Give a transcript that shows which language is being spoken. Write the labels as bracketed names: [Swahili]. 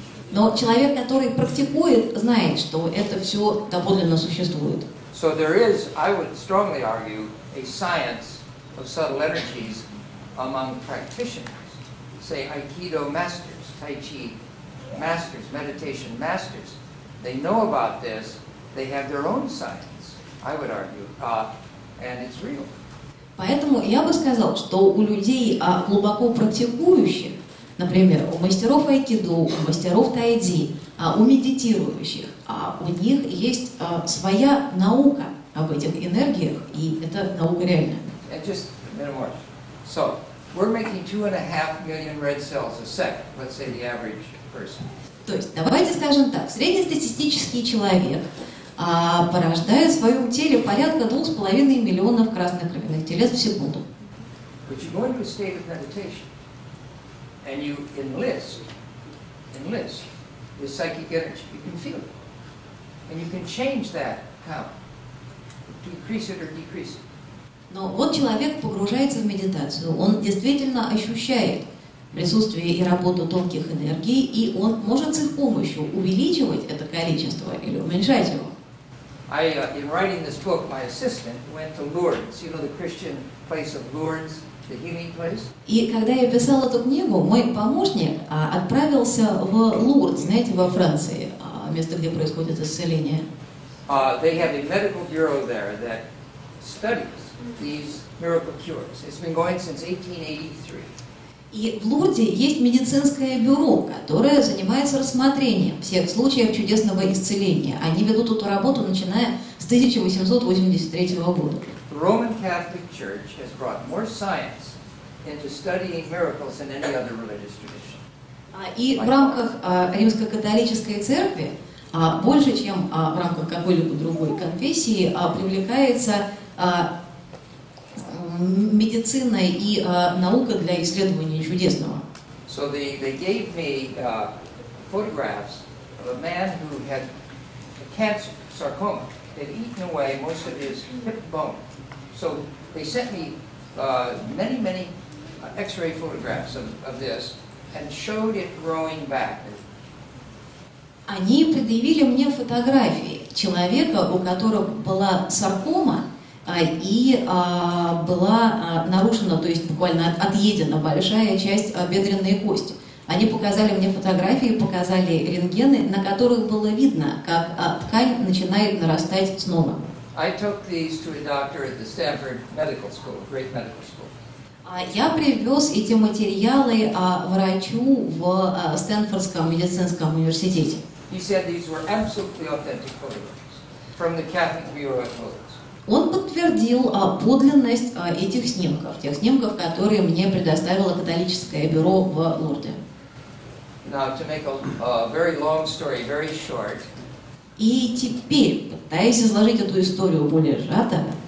[Russian] Но человек, который практикует, знает, что это все доподлинно существует. [English] So there is, I would strongly argue, a science of subtle energies among practitioners. Say aikido masters, tai chi masters, meditation masters. They know about this. They have their own science. I would argue, and it's real. [Russian] Поэтому я бы сказал, что у людей глубоко практикующих, например, у мастеров айкидо, у мастеров тай чи, у медитирующих, у них есть своя наука об этих энергиях, и эта наука реальна. [English] And just a minute more. So. We're making 2.5 million red cells a second, let's say the average person. [Russian] То есть, давайте скажем так, среднестатистический человек порождает в своем теле порядка 2.5 миллионов красных кровяных телец в секунду. [English] But you go into a state of meditation, and you enlist the psychic energy. You can feel it. And you can change that count, decrease it or decrease it. [Russian] Но вот человек погружается в медитацию, он действительно ощущает присутствие и работу тонких энергий, и он может с их помощью увеличивать это количество или уменьшать его. [English] In writing this book, my assistant went to Lourdes, you know, the Christian place of Lourdes, the healing place. [Russian] И когда я писал эту книгу, мой помощник отправился в Лурдс, знаете, во Франции, место, где происходит исцеление. [English] They have a medical bureau there that studies these miracle cures. It's been going since 1883. [Russian] И в Лурде есть медицинское бюро, которое занимается рассмотрением всех случаев чудесного исцеления. Они ведут эту работу, начиная с 1883 года. [English] The Roman Catholic Church has brought more science into studying miracles than any other religious tradition. [Russian] И в рамках Римско-католической церкви больше, чем в рамках какой-либо другой конфессии, привлекается медицина и наука для исследования чудесного. [English] So they gave me photographs of a man who had a cancer, sarcoma. They'd eaten away most of his hip bone. So they sent me many x-ray photographs of this and showed it growing back. [Russian] Они предъявили мне фотографии человека, у которого была саркома и была нарушена, то есть буквально отъедена большая часть бедренной кости. Они показали мне фотографии, показали рентгены, на которых было видно, как ткань начинает нарастать снова. [English] I took these to a doctor at the Stanford Medical School, great medical school. [Russian] Я привез эти материалы врачу в Стэнфордском медицинском университете. [English] He said these were absolutely authentic photographs from the Catholic Bureau of Photos. [Russian] Он подтвердил подлинность этих снимков, тех снимков, которые мне предоставило католическое бюро в Лурде. [English] Now, to make a very long story very short. [Russian] И теперь, пытаясь изложить эту историю более сжато.